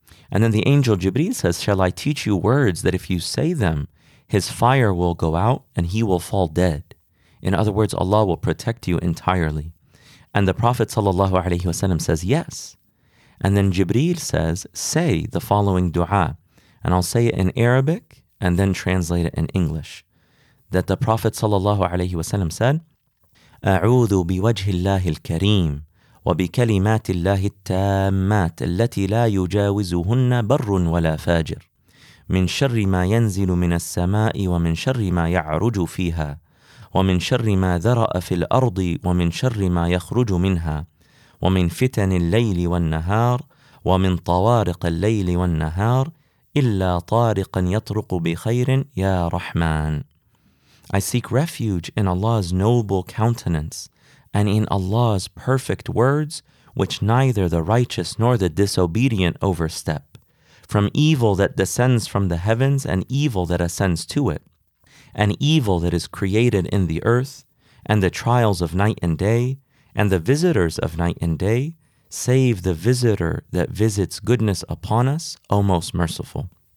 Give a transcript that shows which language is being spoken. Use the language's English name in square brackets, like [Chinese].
[English] And then the angel Jibreel says, shall I teach you words that if you say them, his fire will go out and he will fall dead? In other words, Allah will protect you entirely. And the Prophet sallallahu alaihi wasallam says, yes. And then Jibreel says, say the following dua, and I'll say it in Arabic and then translate it in English. That the Prophet sallallahu alaihi wasallam said, [Arabic] أعوذ بوجه الله الكريم وبكلمات الله التامات التي لا يجاوزهن بر ولا فاجر من شر ما ينزل من السماء ومن شر ما يعرج فيها ومن شر ما ذرأ في الأرض ومن شر ما يخرج منها ومن فتن الليل والنهار ومن طوارق الليل والنهار إلا طارقا يطرق بخير يا رحمن. [English] I seek refuge in Allah's noble countenance and in Allah's perfect words, which neither the righteous nor the disobedient overstep, from evil that descends from the heavens and evil that ascends to it, and evil that is created in the earth, and the trials of night and day, and the visitors of night and day, save the visitor that visits goodness upon us, O most merciful.